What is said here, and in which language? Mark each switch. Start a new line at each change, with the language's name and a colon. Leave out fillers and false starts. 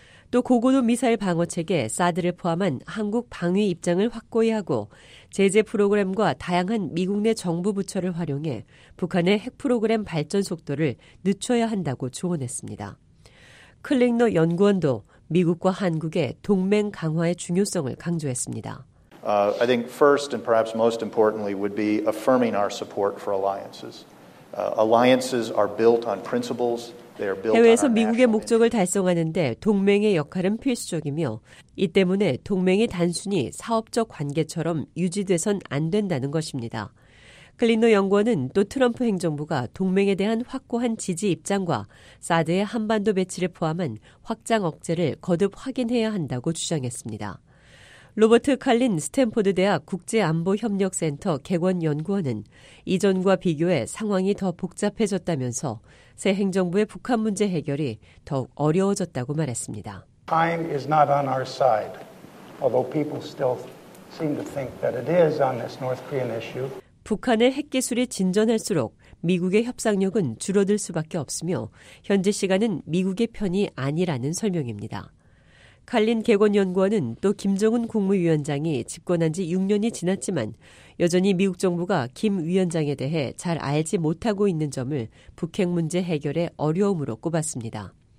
Korean: 또 고고도 미사일 방어체계 사드를 포함한 한국 방위 입장을 확고히 하고 제재 프로그램과 다양한 미국 내 정부 부처를 활용해 북한의 핵 프로그램 발전 속도를 늦춰야 한다고 조언했습니다. 클링너 연구원도 미국과 한국의 동맹 강화의 중요성을 강조했습니다.
English: I think first and perhaps most importantly would be affirming our support for alliances. Alliances are built on principles.
Korean: 해외에서 미국의 목적을 달성하는데 동맹의 역할은 필수적이며 이 때문에 동맹이 단순히 사업적 관계처럼 유지돼선 안 된다는 것입니다. 클린노 연구원은 또 트럼프 행정부가 동맹에 대한 확고한 지지 입장과 사드의 한반도 배치를 포함한 확장 억제를 거듭 확인해야 한다고 주장했습니다. 로버트 칼린 스탠포드 대학 국제안보협력센터 개원연구원은 이전과 비교해 상황이 더 복잡해졌다면서 새 행정부의 북한 문제 해결이 더욱 어려워졌다고 말했습니다.
English: Time is not on our side, although people still seem to think that it is on this North Korean issue.
Korean: 북한의 핵 기술이 진전할수록 미국의 협상력은 줄어들 수밖에 없으며 현재 시간은 미국의 편이 아니라는 설명입니다. 칼린 개건연구원은 또 김정은 국무위원장이 집권한 지 6년이 지났지만 여전히 미국 정부가 김 위원장에 대해 잘 알지 못하고 있는 점을 북핵 문제 해결의 어려움으로 꼽았습니다.